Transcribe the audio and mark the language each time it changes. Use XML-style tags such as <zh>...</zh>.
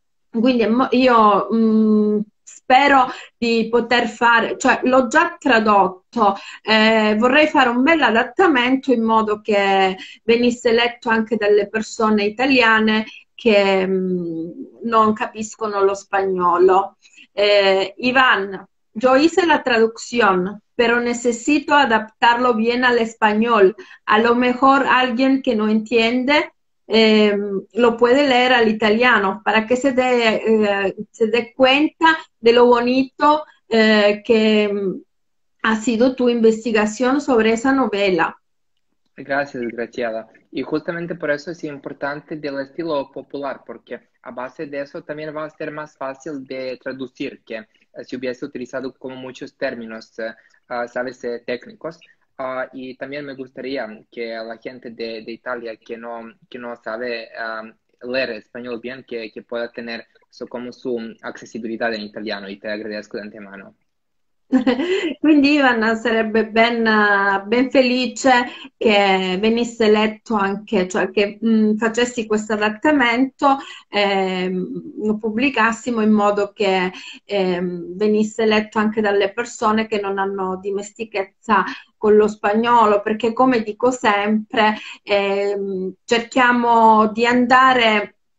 <it>Quindi io spero di poter fare, cioè l'ho già tradotto, vorrei fare un bel adattamento in modo che venisse letto anche dalle persone italiane che non capiscono lo spagnolo.</it> <es>Ivan, yo hice la traducción, pero necesito adaptarlo bien al español. A lo mejor alguien que no entiende lo puede leer al italiano para que se dé cuenta de lo bonito que ha sido tu investigación sobre esa novela. Gracias, Graciela. Y justamente por eso es importante del estilo popular, porque a base de eso también va a ser más fácil de traducir que si hubiese utilizado como muchos términos, sabes, técnicos. Y también me gustaría que la gente de Italia que no sabe leer español bien, que pueda tener como su accesibilidad en italiano. Y te agradezco de antemano.</es> <it>Quindi Ivan sarebbe ben felice che venisse letto anche, cioè che facessi questo adattamento, lo pubblicassimo in modo che venisse letto anche dalle persone che non hanno dimestichezza con lo spagnolo, perché come dico sempre, cerchiamo di andare</it>